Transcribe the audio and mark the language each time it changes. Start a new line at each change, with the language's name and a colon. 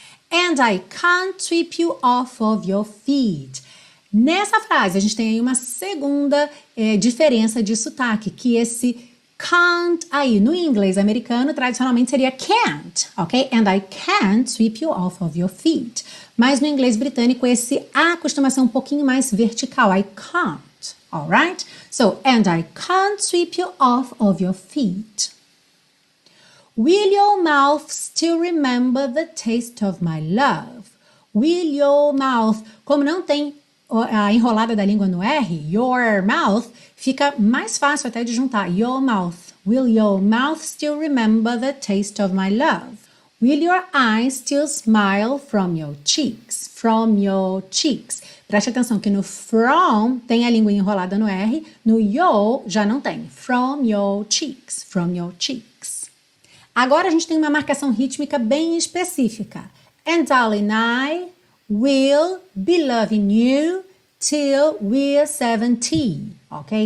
English: And I can't sweep you off of your feet.
Portuguese: Nessa frase, a gente tem aí uma segunda diferença de sotaque, que esse can't aí, no inglês americano, tradicionalmente seria can't, ok?
English: And I can't sweep you off of your feet.
Portuguese: Mas no inglês britânico, esse A costuma ser um pouquinho mais vertical, I can't, alright?
English: So, and I can't sweep you off of your feet. Will your mouth still remember the taste of my love? Will your mouth...
Portuguese: Como não tem a enrolada da língua no R, your mouth, fica mais fácil até de juntar.
English: Your mouth. Will your mouth still remember the taste of my love? Will your eyes still smile from your cheeks? From your cheeks.
Portuguese: Preste atenção que no from tem a língua enrolada no R, no your já não tem.
English: From your cheeks. From your cheeks.
Portuguese: Agora a gente tem uma marcação rítmica bem específica.
English: And darling, I will be loving you till we're 17. Ok?